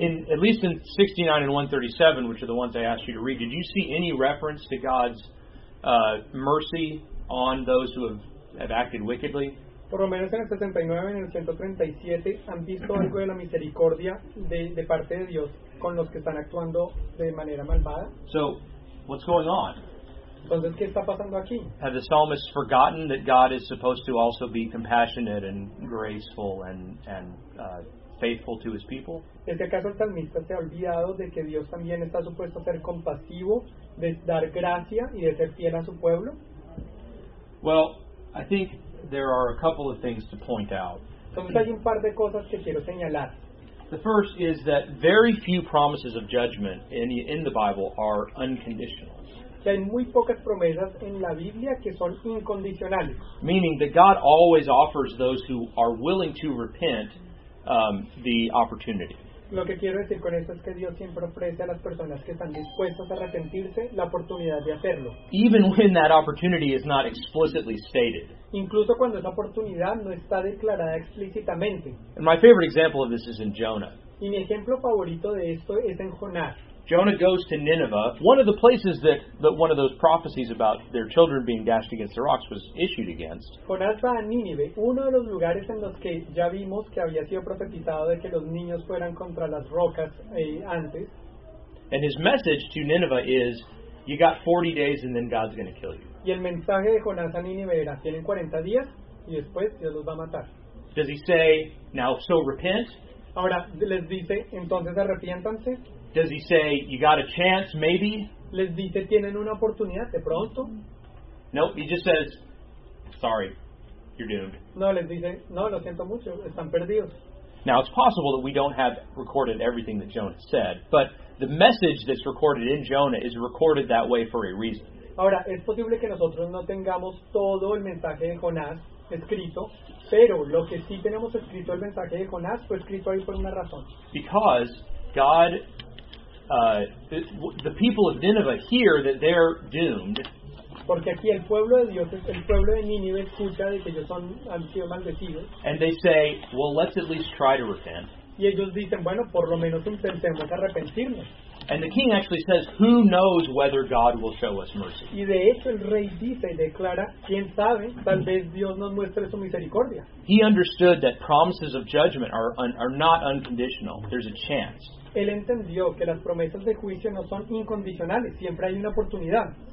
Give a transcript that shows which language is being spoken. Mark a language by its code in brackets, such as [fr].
[en] At least in 69 and 137, which are the ones I asked you to read, did you see any reference to God's mercy on those who have acted wickedly? [es] Por lo menos en el 69 y en el 137 han visto algo de la misericordia de parte de Dios con los que están actuando de manera malvada. [en] So, what's going on? [es] Entonces, ¿qué está pasando aquí? [en] Have the psalmists forgotten that God is supposed to also be compassionate and graceful and faithful to his people? [es] ¿Es que acaso el salmista se ha olvidado de que Dios también está supuesto a ser compasivo, de dar gracia y de ser fiel a su pueblo? [en] Well, I think there are a couple of things to point out. [es] Entonces, hay un par de cosas que quiero señalar. [en] The first is that very few promises of judgment in the Bible are unconditional. [es] Hay muy pocas promesas en la Biblia que son incondicionales. [en] Meaning that God always offers those who are willing to repent the opportunity. [es] Lo que quiero decir con esto es que Dios siempre ofrece a las personas que están dispuestas a arrepentirse la oportunidad de hacerlo. [en] Even when that opportunity is not explicitly stated. [es] Incluso cuando esa oportunidad no está declarada explícitamente. [en] And my favorite example of this is in Jonah. [es] Y mi ejemplo favorito de esto es en Jonás. [en] Jonah goes to Nineveh, one of the places that one of those prophecies about their children being dashed against the rocks was issued against. [es] Jonás va a Nínive, uno de los lugares en los que ya vimos que había sido profetizado de que los niños fueran contra las rocas antes. [en] And his message to Nineveh is, you got 40 days and then God's going to kill you. [es] Y el mensaje de Jonás a Nínive era, tienen 40 días y después Dios los va a matar. [en] Does he say, now so repent? [es] Ahora les dice, entonces arrepiéntanse. [en] Does he say, you got a chance, maybe? [es] Les dice, tienen una oportunidad, de pronto. [en] Nope, he just says, sorry, you're doomed. [es] No, les dice, no, lo siento mucho, están perdidos. [en] Now, it's possible that we don't have recorded everything that Jonah said, but the message that's recorded in Jonah is recorded that way for a reason. [es] Ahora, es posible que nosotros no tengamos todo el mensaje de Jonás escrito, pero lo que sí tenemos escrito el mensaje de Jonás fue escrito ahí por una razón. [en] Because God... The people of Nineveh hear that they're doomed. [es] Porque aquí el pueblo de Dios, el pueblo de Nínive escucha de que ellos son han sido maldecidos. [en] And they say, well, let's at least try to repent. [es] Y ellos dicen, bueno, por lo menos intentemos arrepentirnos. [en] And the king actually says, who knows whether God will show us mercy? [es] Y de hecho el rey dice y declara, quién sabe, tal vez Dios nos muestre su misericordia. [en] He understood that promises of judgment are not unconditional. There's a chance. [es] Él entendió que las promesas de juicio no son incondicionales, siempre hay una oportunidad.